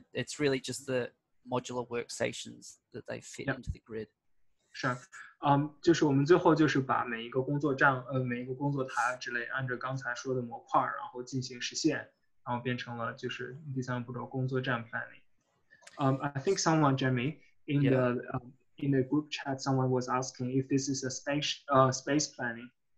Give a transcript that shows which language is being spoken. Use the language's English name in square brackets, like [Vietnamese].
[English] It's really just the modular workstations that they fit into the grid. [Chinese] 是，就是我们最后就是把每一个工作站，每一个工作台之类，按照刚才说的模块，然后进行实现，然后变成了就是第三步骤工作站 planning. [English] I think someone, Jeremy, in the group chat, someone was asking if this is a space planning.